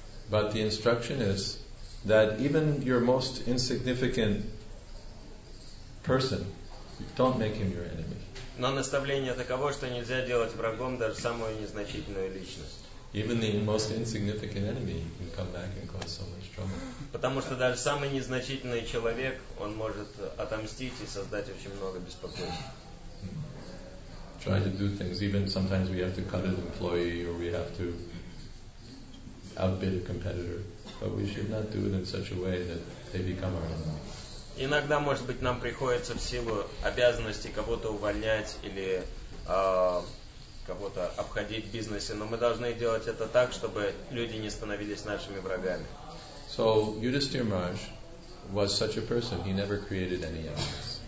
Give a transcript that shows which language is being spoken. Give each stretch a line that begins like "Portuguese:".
English: But the instruction is that even your most insignificant person, don't make him your enemy.
Russian: Но наставление таково, что нельзя делать врагом даже самую незначительную личность.
English: Even the most insignificant enemy can come back and cause so much trouble.
Russian: Потому что даже самый незначительный человек, он может отомстить и создать очень много беспокойств.
English: Try to do things. Even sometimes we have to cut an employee or we have to outbid a competitor. But we should not do it in such a way that they become our enemy.
Russian: Иногда, может быть, нам приходится в силу обязанностей кого-то увольнять или кого-то обходить в бизнесе, но мы должны делать это так, чтобы люди не становились нашими врагами.
English: So Yudhishthir Maharaj was such a person, he never created any enemies.